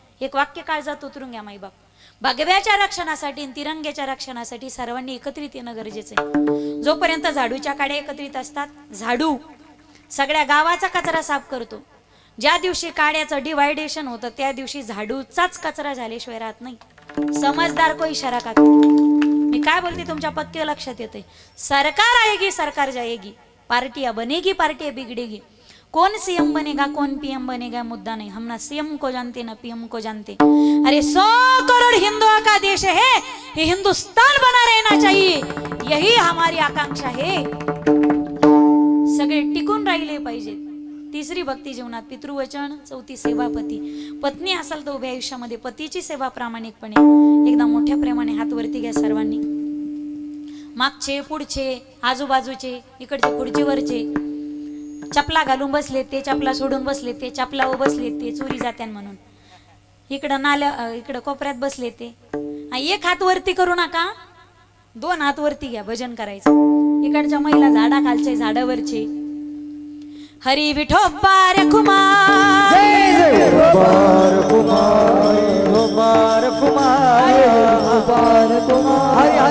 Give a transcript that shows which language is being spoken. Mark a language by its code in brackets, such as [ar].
[mr] एक वाक्य काळजात उतरून घ्या माई बाप. भगव्याच्या रक्षणासाठी आणि तिरंग्याच्या रक्षणासाठी सर्वांनी एकत्रित येणं गरजेचं आहे. जोपर्यंत झाडूच्या काड्या एकत्रित असतात झाडू सगळ्या गावाचा कचरा साफ करतो. ज्या दिवशी काड्याचं डिवायडेशन होतं त्या दिवशी झाडूचाच कचरा झाल्याशिवाय राहत नाही. समजदार कोई शराकात. मी काय बोलते तुमच्या पक्के लक्षात येते. [hi] सरकार आएगी सरकार जाएगी पार्टीया बनेगी पार्टीया बिगडेगी. [mr] कोण सीएम बनेगा कोण पीएम बनेगा मुद्दा नाही. [hi] हमना सीएम को जानते ना पीएम को जानते. अरे 100 करोड हिंदुओं का देश है ये हिंदुस्तान बना रहना चाहिए यही हमारी आकांक्षा है. [mr] सगळे टिकून राहिले पाहिजे. तिसरी भक्ती जीवनात पितृवचन. चौथी सेवापती. पत्नी असाल तर उभ्या आयुष्यामध्ये पतीची सेवा प्रामाणिकपणे. एकदा मोठ्या प्रेमाने हात वरती घ्या सर्वांनी. मागचे पुढचे आजूबाजूचे इकडचे खुर्चीवरचे चपला घालून बसले ते चपला सोडून बसले ते चपला उ बसले ते चोरी जात्यान म्हणून इकडं नाल्या इकडं कोपऱ्यात बसले ते. एक हात वरती करू नका. 2 हात वरती घ्या भजन करायचं. इकडच्या महिला झाडाखालचे झाडावरचे हरि विठोबा रे कुमार जय जय बार कुमार बार कुमार बार कुमार